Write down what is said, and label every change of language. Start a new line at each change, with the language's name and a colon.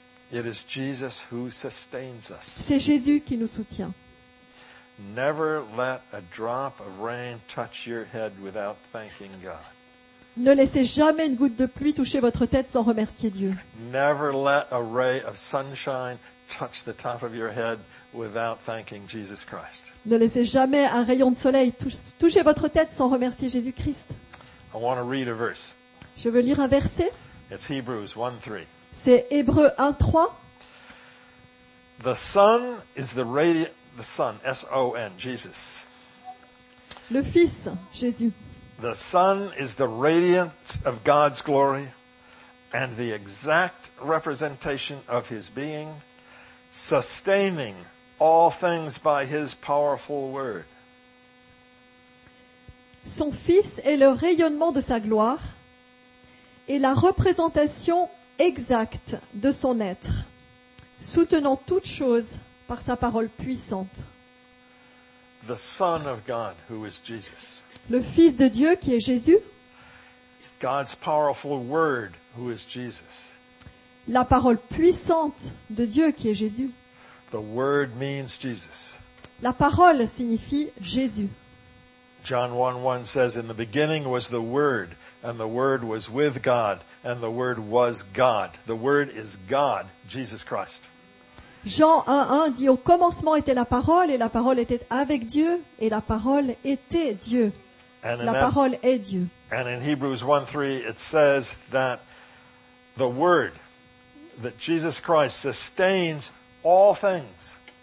English: It is Jesus who sustains us.
French: C'est Jésus qui nous soutient.
English: Never let a drop of rain touch your head without thanking God.
French: Ne laissez jamais une goutte de pluie toucher votre tête sans remercier Dieu.
English: Never let a ray of sunshine touch the top of your head without thanking Jesus Christ.
French: Ne laissez jamais un rayon de soleil toucher votre tête sans remercier Jésus-Christ.
English: I want to read a verse.
French: Je veux lire un verset.
English: It's Hebrews 1:3.
French: C'est Hébreux 1:3.
English: The sun is the radiant, the sun, S-O-N, Jesus.
French: Le Fils, Jésus.
English: The sun is the radiance of God's glory and the exact representation of his being, sustaining all things by his powerful word.
French: Son fils est le rayonnement de sa gloire et la représentation exacte de son être, soutenant toutes choses par sa parole puissante.
English: The Son of God, who is Jesus.
French: Le Fils de Dieu qui est Jésus.
English: God's powerful word, who is Jesus.
French: La parole puissante de Dieu qui est Jésus.
English: The word means Jesus.
French: La parole signifie Jésus.
English: John 1:1 says, "In the beginning was the Word, and the Word was with God, and the Word was God." The Word is God, Jesus Christ.
French: Jean 1:1 dit, "Au commencement était la parole, et la parole était avec Dieu, et la parole était Dieu."
English: And
French: la parole est Dieu.
English: And in Hebrews 1:3, it says that the Word, that Jesus Christ, sustains all things.